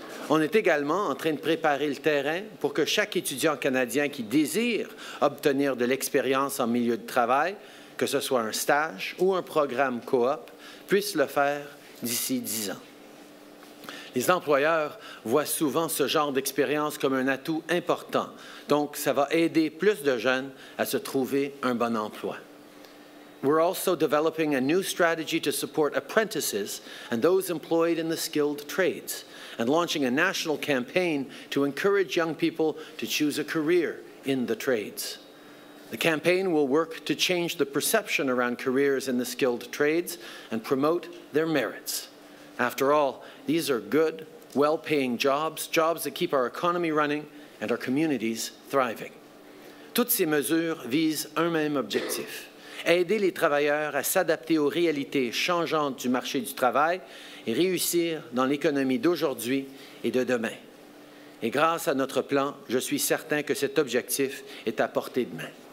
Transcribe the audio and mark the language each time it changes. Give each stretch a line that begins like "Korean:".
French: On est également en train de préparer le terrain pour que chaque étudiant canadien qui désire obtenir de l'expérience en milieu de travail, que ce soit un stage ou un programme co-op, puisse le faire d'ici 10 ans. Les employeurs voient souvent ce genre d'expérience comme un atout important, donc ça va aider plus de jeunes à se trouver un bon emploi.
English: We're also developing a new strategy to support apprentices and those employed in the skilled trades, and launching a national campaign to encourage young people to choose a career in the trades. The campaign will work to change the perception around careers in the skilled trades and promote their merits. After all, these are good, well-paying jobs, jobs that keep our economy running and our communities thriving.
French: Toutes ces mesures visent un même objectif, aider les travailleurs à s'adapter aux réalités changeantes du marché du travail et réussir dans l'économie d'aujourd'hui et de demain. Et grâce à notre plan, je suis certain que cet objectif est à portée de main.